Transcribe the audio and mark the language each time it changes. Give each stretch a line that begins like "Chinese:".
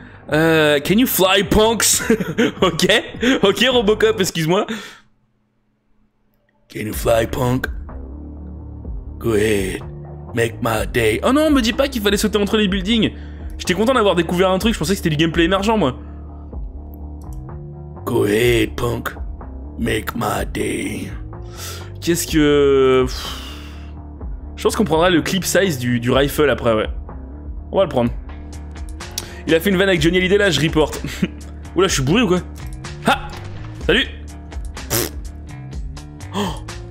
English: Can you fly, punks? Ok, Robocop,
French: excuse-moi.
English: Can you fly, punk? Go ahead, make my day.
French: Oh non, me dis pas qu'il fallait sauter entre les buildings. J'étais content d'avoir découvert un truc, je pensais que c'était du gameplay émergent, moi.
English: Go ahead, punk, make my day.
French: Qu'est-ce que... Je pense qu'on prendra le clip size du rifle après, ouais. On va le prendre. Il a fait une vanne avec Johnny Hallyday, là, je reporte. Oula, je suis bourré ou quoi? Ha! Salut! Oh.